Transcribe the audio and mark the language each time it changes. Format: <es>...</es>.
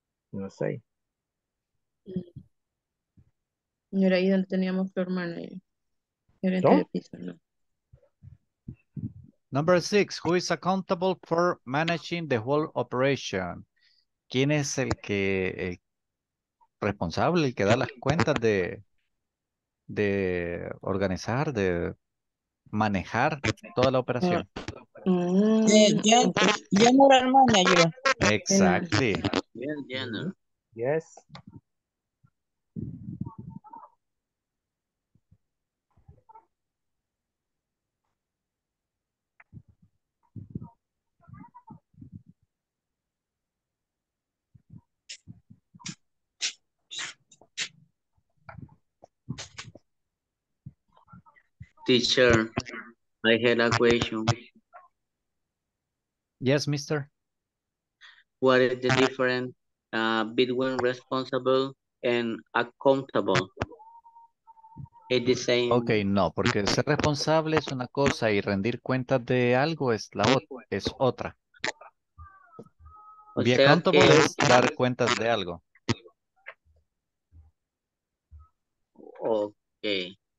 <es>No sé. Y era ahí donde teníamos floor manager. ¿No?</es> <en>Number six, who is accountable for managing the whole operation?</en> <es>¿Quién es el que... responsable, el que da las cuentas de organizar, de manejar toda la operación?</es> <en>General manager. Exactly. Yes. Teacher, I had a question. Yes, mister. What is the difference between responsible and accountable? It's the same.</en> <es>Okay, no, porque ser responsable es una cosa y rendir cuentas de algo es la otra, es otra. O sea, accountable es dar cuentas de algo.</es> <en>Okay.</en>